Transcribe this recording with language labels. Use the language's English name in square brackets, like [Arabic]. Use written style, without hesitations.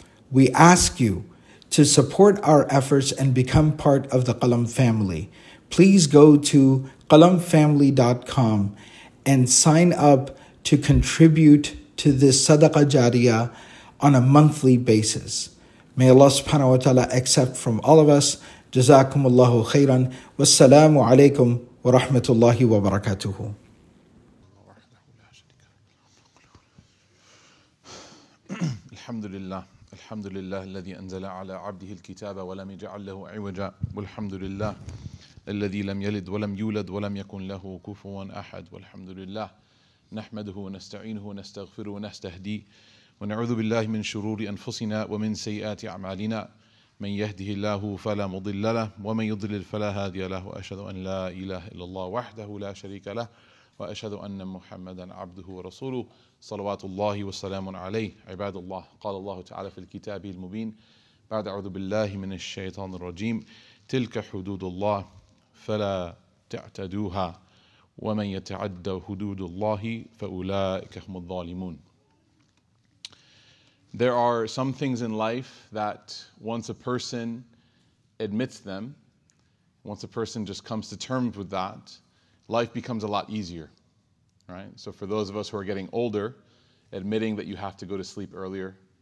[English] We ask you to support our efforts and become part of the Qalam family. Please go to qalamfamily.com and sign up to contribute to this Sadaqah Jariyah on a monthly basis. May Allah subhanahu wa ta'ala accept from all of us. [Arabic] جزاكم الله خيرا والسلام عليكم ورحمة الله وبركاته. الحمد لله الحمد لله الذي أنزل على عبده الكتاب ولم يجعل له عوجا والحمد لله الذي لم يلد ولم يولد ولم يكن له كفوا أحد والحمد لله نحمده ونستعينه ونستغفره ونستهدي ونعوذ بالله من شرور أنفسنا ومن سيئات أعمالنا. من يهده الله فلا مضل له ومن يضلل فلا هادي له وأشهد أن لا إله إلا الله وحده لا شريك له وأشهد أن محمدا عبده ورسوله صلوات الله وسلام عليه عباد الله قال الله تعالى في الكتاب المبين بعد أعوذ بالله من الشيطان الرجيم تلك حدود الله فلا تعتدوها ومن يتعدى حدود الله فأولئك هم الظالمون. [English] There are some things in life that once a person admits them, once a person just comes to terms with that, life becomes a lot easier, right? So for those of us who are getting older, admitting that you have to go to sleep earlier.